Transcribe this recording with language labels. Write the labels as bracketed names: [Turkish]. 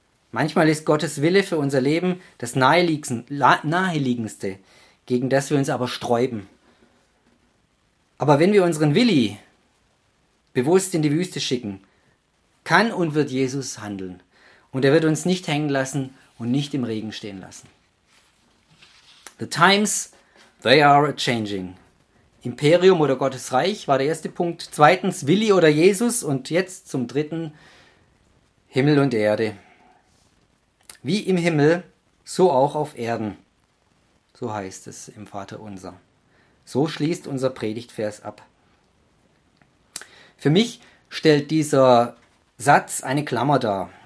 [German] Manchmal ist Gottes Wille für unser Leben das Naheliegendste, gegen das wir uns aber sträuben. Aber wenn wir unseren Willi bewusst in die Wüste schicken, kann und wird Jesus handeln. Und er wird uns nicht hängen lassen und nicht im Regen stehen lassen. [English] The times, they are changing. [German] Imperium oder Gottes Reich war der erste Punkt. Zweitens, Willi oder Jesus. Und jetzt zum dritten, Himmel und Erde. Wie im Himmel, so auch auf Erden. So heißt es im Vater Unser. So schließt unser Predigtvers ab. Für mich stellt dieser Satz eine Klammer dar.